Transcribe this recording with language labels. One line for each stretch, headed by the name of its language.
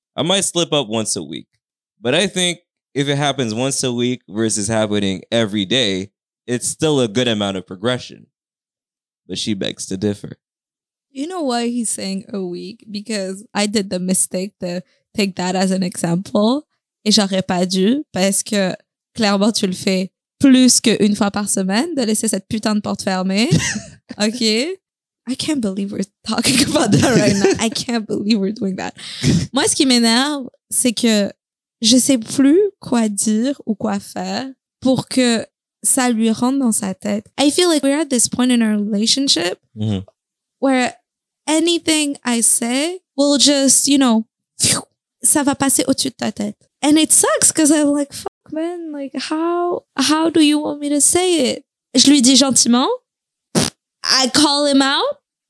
English: I might slip up once a week. But I think if it happens once a week versus happening every day, it's still a good amount of progression, but she begs to differ. You know why he's saying a week? Because I did the mistake to take that as an example.
French: Et j'aurais pas dû, parce que clairement tu le fais plus qu'une fois par semaine de laisser cette putain de porte fermée. OK?
English: I can't believe we're talking about that right now. I can't believe we're doing that.
French: Moi, ce qui m'énerve, c'est que je sais plus quoi dire ou quoi faire pour que ça lui rentre dans sa tête.
English: I feel like we're at this point in our relationship mm-hmm. where anything I say will just, you know,
French: ça va passer au-dessus de ta tête.
English: And it sucks because I'm like, fuck, man, like, how do you want me to say it?
French: Je lui dis gentiment.
English: I call him out.